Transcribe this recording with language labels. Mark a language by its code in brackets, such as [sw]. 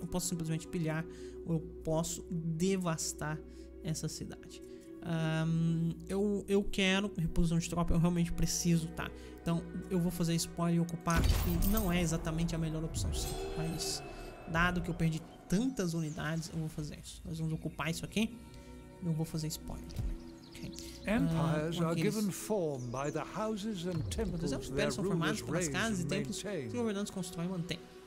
[pt] Eu posso simplesmente pilhar ou eu posso devastar essa cidade. Eu quero reposição de tropas. Eu realmente preciso, tá? Então eu vou fazer spoiler e ocupar, que não é exatamente a melhor opção, sim. Mas dado que eu perdi tantas unidades, eu vou fazer isso. Nós vamos ocupar isso aqui. Eu vou fazer spoiler. [en] Empires are given form by the houses and temples. [pt] Os impérios são formados pelas casas e templos que os governantes constroem e mantêm.